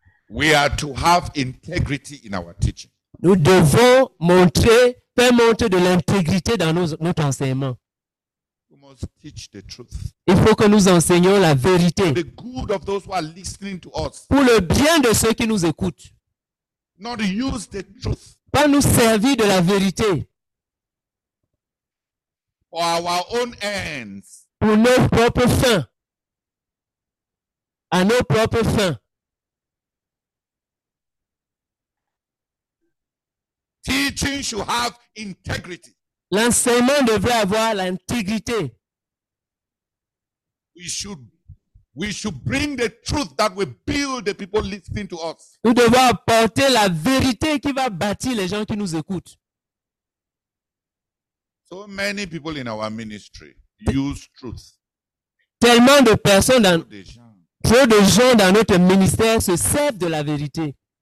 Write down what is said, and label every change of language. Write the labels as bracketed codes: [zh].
[en] We are to have integrity in our teaching. [fr] Nous devons montrer, faire montrer de l'intégrité dans notre enseignement. [en] We must teach the truth. [fr] Il faut que nous enseignions la vérité. [en] The good of those who are listening to us. [fr] Pour le bien de ceux qui nous écoutent. [en] Not use the truth. [fr] Pas nous servir de la vérité. [en] For our own ends. [fr] Pour nos propres fins. À nos propres fins. [en] Teaching should have integrity. [fr] L'enseignement devrait avoir l'intégrité. [en] We should bring the truth that will build the people listening to us. [fr] Nous devons apporter la vérité qui va bâtir les gens qui nous écoutent. [en] So many people in our ministry use truth. [fr] Tellement de personnes dans, trop de gens dans notre ministère se servent de la vérité.